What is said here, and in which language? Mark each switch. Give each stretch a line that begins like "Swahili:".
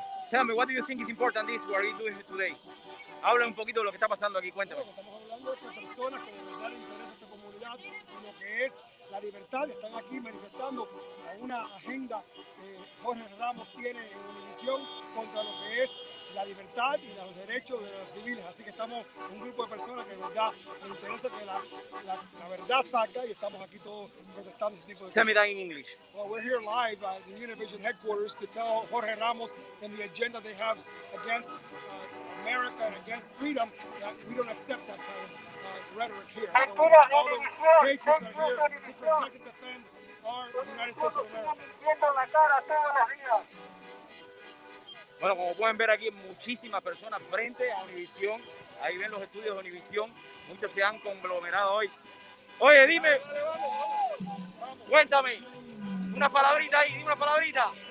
English: Tell me, what do you think is important this, what are you doing today?
Spanish: Habla un poquito de lo que está pasando aquí, cuéntame. Estamos hablando de personas que de verdad le interesa esta comunidad, de lo que es la libertad, están aquí manifestando una agenda que Jorge Ramos tiene en Univisión contra lo que es la libertad y los derechos de los civiles. Así que estamos un grupo de personas que de verdad le interesa que la verdad salga y estamos aquí todos protestando ese tipo de
English: cosas. Tell me that in English. Well, we're here live at the Univision headquarters to tell Jorge Ramos and the agenda they have against America and against freedom that we don't accept that kind of rhetoric here. So all the patriots are here to protect and defend our United States of America.
Spanish: Bueno, como pueden ver aquí, muchísimas personas frente a Univisión. Ahí ven los estudios de Univisión. Muchos se han conglomerado hoy. Oye, dime. Vale, vamos. Cuéntame. Una palabrita ahí, dime una palabrita.